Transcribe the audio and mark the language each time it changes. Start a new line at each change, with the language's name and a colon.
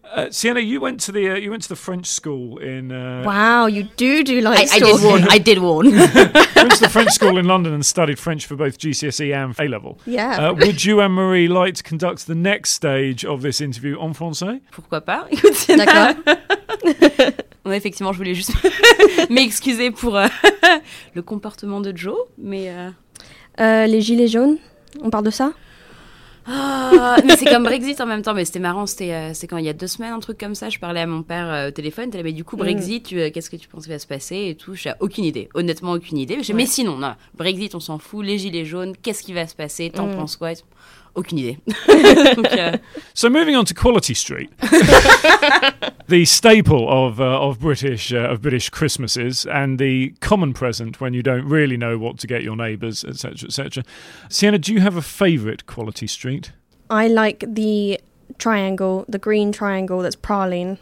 English: Sienna, you went to the French school in. Wow, you do like. I did warn. I went to the French school in London and studied French for both GCSE and A level. Yeah. Would you and Marie like to conduct the next stage of this interview en français? Pourquoi pas? You would say that. D'accord.
French: Effectivement, je voulais juste m'excuser pour le comportement de Joe, mais les gilets jaunes. On parle de ça. mais c'est comme Brexit en même temps, mais c'était marrant, c'est quand il y a deux semaines, un truc comme ça, je parlais à mon père au téléphone, t'as dit, mais du coup Brexit, qu'est-ce que tu penses qui va se passer et tout, j'ai aucune idée, honnêtement aucune idée, mais, mais sinon, non, Brexit on s'en fout, les gilets jaunes, qu'est-ce qui va se passer, t'en penses quoi, aucune idée.
English: So moving on to Quality Street, the staple of British Christmases and the common present when you don't really know what to get your neighbours, etc., etc. Sienna, do you have a favourite Quality Street? I like the triangle, the green triangle that's praline.